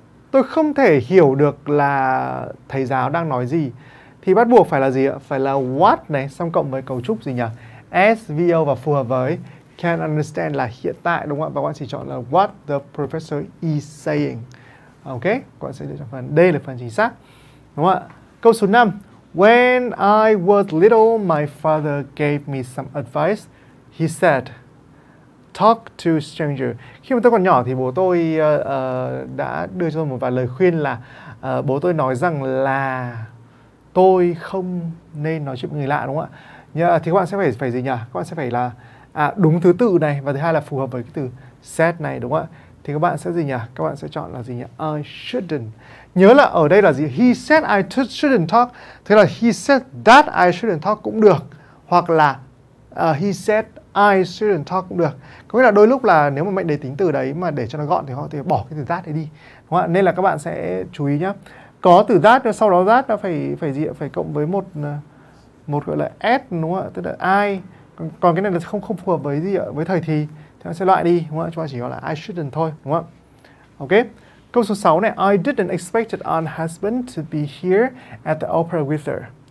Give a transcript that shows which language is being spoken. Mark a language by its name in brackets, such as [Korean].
[Vietnamese] Tôi không thể hiểu được là thầy giáo đang nói gì. Thì bắt buộc phải là gì ạ? Phải là what này, xong cộng với cấu trúc gì nhỉ? SVO và phù hợp với can understand là hiện tại, đúng không ạ? Và các bạn chỉ chọn là [English] what the professor is saying. [Vietnamese] Ok, các bạn sẽ lựa chọn phần D là phần chính xác. Đúng không ạ? Câu số 5. [English] When I was little, my father gave me some advice. He said, talk to stranger. [Vietnamese] Khi mà tôi còn nhỏ thì bố tôi đã đưa cho tôi một vài lời khuyên là bố tôi nói rằng là tôi không nên nói chuyện với người lạ, đúng không ạ? Yeah, thì các bạn sẽ phải gì nhỉ? Các bạn sẽ phải là đúng thứ tự này, và thứ hai là phù hợp với cái từ said này, đúng không ạ? Thì các bạn sẽ gì nhỉ? Các bạn sẽ chọn là gì nhỉ? [English] I shouldn't. [Vietnamese] Nhớ là ở đây là gì? [English] He said I shouldn't talk. [Vietnamese] Thế là [English] he said that I shouldn't talk [Vietnamese] cũng được. Hoặc là [English] he said I shouldn't talk [Vietnamese] cũng được. Có nghĩa là đôi lúc là nếu mà mệnh đề tính từ đấy mà để cho nó gọn thì họ thì bỏ cái từ that đấy đi. Đúng không ạ? Nên là các bạn sẽ chú ý nhé. Có từ that, sau đó that nó phải gì ạ? Phải cộng với một gọi là s, đúng không ạ? Tức là I. Còn cái này là không phù hợp với gì ạ? Với thời thì. Thì nó sẽ loại đi, đúng không ạ? Chúng ta chỉ gọi là [English] I shouldn't [Vietnamese] thôi, đúng không ạ? Ok. Câu số 6 này. [English] I didn't expect an aunt husband to be here at the opera with her.